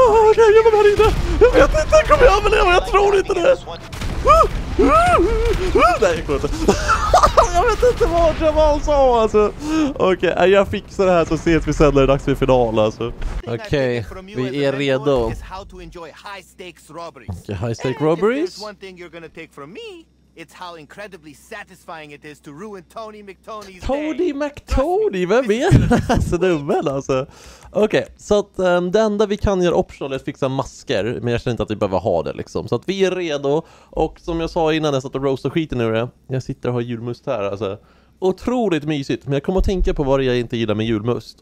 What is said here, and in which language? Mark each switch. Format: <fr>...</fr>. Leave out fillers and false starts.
<sv>Okej, jag behöver här inte. Jag vet inte, kommer jag överleva? Jag tror inte det. Nej, jag inte. Jag vet inte vad Jamal sa alltså. Okej, okay, jag fixar det här så ses vi sen när det är dags för final alltså. Okej, okay, vi är redo.</sv> <en>Okay, high stake robberies. One thing you're gonna take from me. It's how incredibly satisfying it is to ruin Tony McTony's day.</en> <sv>Tony McTony, vem är så dummen alltså? Okej, okay, så att det enda vi kan göra optional är att fixa masker. Men jag känner inte att vi behöver ha det liksom. Så att vi är redo. Och som jag sa innan, jag satt och roastade skiten ur det. Jag sitter och har julmust här alltså. Otroligt mysigt. Men jag kommer att tänka på vad jag inte gillar med julmust.</sv>